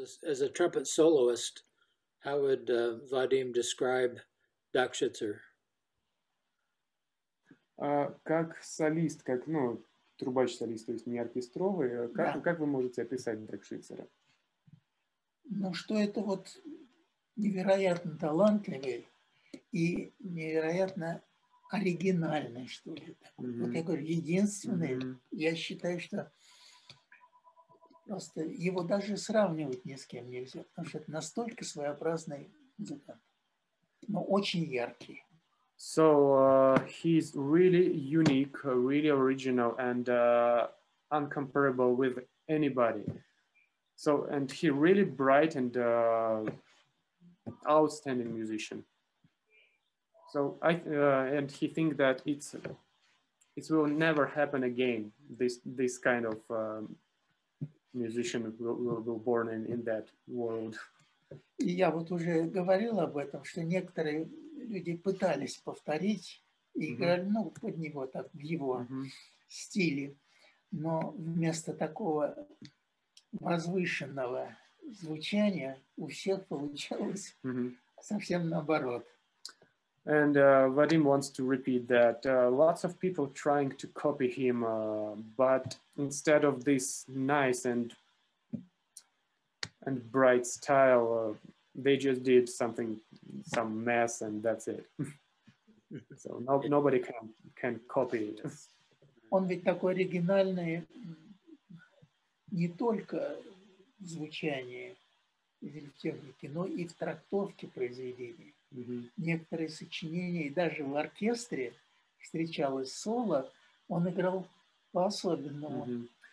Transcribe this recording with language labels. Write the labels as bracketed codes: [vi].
[en] As a trumpet soloist, how would Vadim describe Dokshizer? [ru] Как солист, как, ну, трубач-солист, то есть не оркестровый, как, да. Как вы можете описать Докшицера? Ну, что это вот невероятно талантливый и невероятно оригинальный, что ли. Mm-hmm. Вот я говорю, единственный, mm-hmm. я считаю, что просто его даже сравнивать ни с кем нельзя, потому что это настолько своеобразный музыкант, но очень яркий. [en] So he's really unique, really original, and incomparable with anybody. So, and he really bright and outstanding musician. So I and he think that it will never happen again. This kind of musician will born in that world. [ru] Я вот уже говорил об этом, что некоторые люди пытались повторить и играли, ну, под него, так, в его стиле, но вместо такого возвышенного звучания у всех получалось совсем наоборот. [en] And Vadim wants to repeat that lots of people trying to copy him, but instead of this nice and bright style, they just did something, some mess, and that's it. So no, nobody can copy it. [ru] Он ведь такой оригинальный не только в звучании или в технике, но и в трактовке произведений. Некоторые сочинения, и даже в оркестре встречалось соло, он играл по-особенному.